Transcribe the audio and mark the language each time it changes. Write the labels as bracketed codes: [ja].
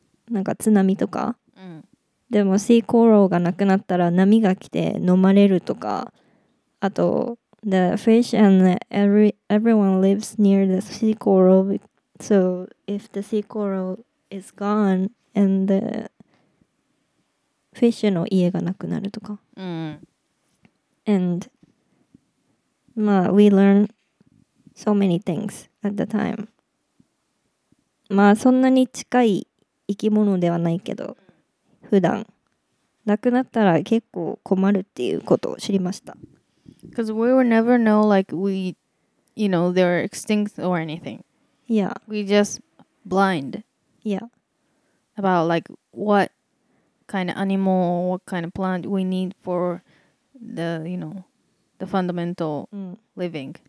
[ja] なんか津波とか。でもシーコーラルがなくなったら波が来て飲まれるとか、あと [en] the fish and everyone lives near the sea coral, so if the sea coral is gone and the fish [ja] の家がなくなるとか、 mm. [en] and [ja] まあ [en] we learn so many things at the time. [ja] まあそんなに近い生き物ではないけど普段亡くなったら結構困るっていうことを知りました。 [en] Because we will never know like we, you know, they're extinct or anything. Yeah. We just blind. Yeah. About like what kind of animal or what kind of plant we need for the, you know, the fundamental living.